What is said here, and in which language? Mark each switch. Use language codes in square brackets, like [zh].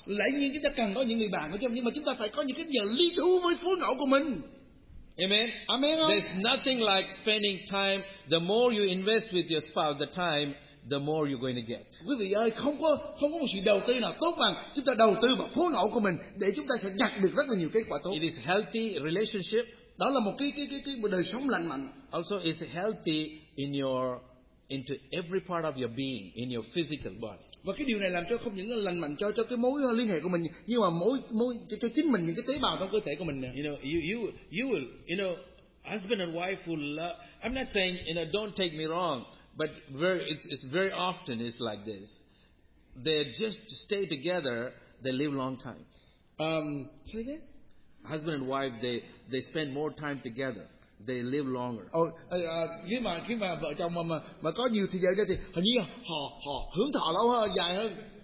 [vi] Lẽ nhiên chúng ta cần có những người bạn, nhưng mà chúng ta phải có những cái giờ lý thú với phối ngẫu của mình. [en] Amen. Amen. There's nothing like spending time. The more you invest with your spouse, the time, the more you're going to get. [vi] Quý vị ơi, không có một sự đầu tư nào tốt bằng chúng ta đầu tư vào phối ngẫu của mình để chúng ta sẽ nhận được rất là nhiều kết quả tốt. [en] It is healthy relationship. [vi] Đó là một cái một đời sống lành mạnh. [en] Also, it's healthy in your into every part of your being, in your physical body. [vi] Và cái điều này làm cho không những lành mạnh cho cái mối liên hệ của mình, nhưng mà mối cho chính mình, những cái tế bào trong cơ thể của mình. [en] You know, you will, you know, husband and wife will love. I'm not saying, you know, don't take me wrong. But it's very often it's like this. They just stay together. They live long time. Say again? Husband and wife, they spend more time together. They live longer. [vi] Khi mà vợ chồng mà có nhiều thời gian thì hình như họ hưởng thọ lâu hơn, dài hơn.